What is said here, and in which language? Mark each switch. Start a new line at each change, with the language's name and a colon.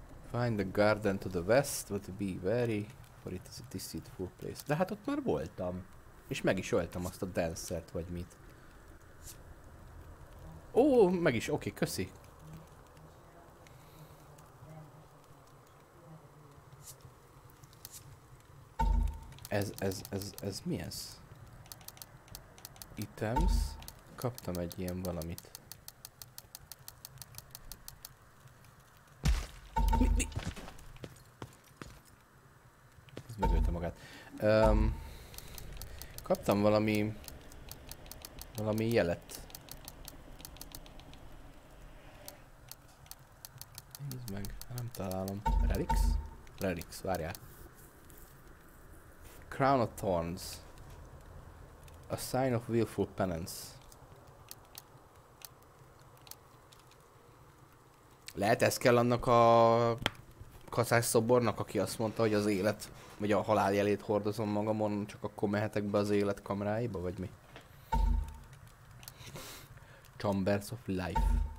English: Find the garden to the west, but be wary, for it is a deceitful place.
Hungarian: De hát ott már voltam. És meg is öltem azt a dancert, vagy mit. Ó, meg is, oké, köszi. Ez mi ez? Items. Kaptam egy ilyen valamit. Mi? Ez megölte magát. Kaptam valami jelet. Nézd meg, nem találom. Relics? Relics, várjál.
English: Crown of Thorns. A sign of willful penance.
Hungarian: Lehet ez kell annak a kaszás szobornak, aki azt mondta, hogy az élet, vagy a halál jelét hordozom magamon, csak akkor mehetek be az élet kamráiba, vagy mi?
English: Chambers of Life.